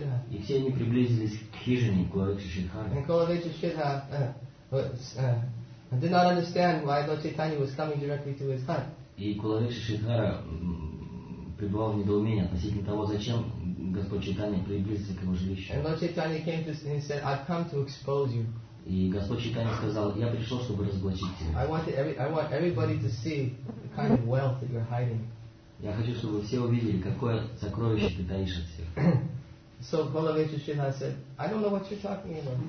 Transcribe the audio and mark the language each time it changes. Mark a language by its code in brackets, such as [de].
[ru] И все они приблизились к хижине Кулавеча Шридхары. [en] And Kulavecha Shrinath did not understand why Lord Chaitanya was coming directly to his hut. [ru] И Кулавеча Шридхара пребывал в недоумении относительно того, зачем Господь Чайтанья приблизился к его жилищу. [en] And Lord Chaitanya came to him and said, I've come to expose you. [ru] И Господь Чайтанья сказал, я пришел, чтобы разоблачить тебя. [en] I want everybody to see the kind of wealth that you're hiding. [ru] Я хочу, чтобы все увидели, какое сокровище ты таишь от всех. [en] So Kulavecha Shrinath said, I don't know what you're talking about.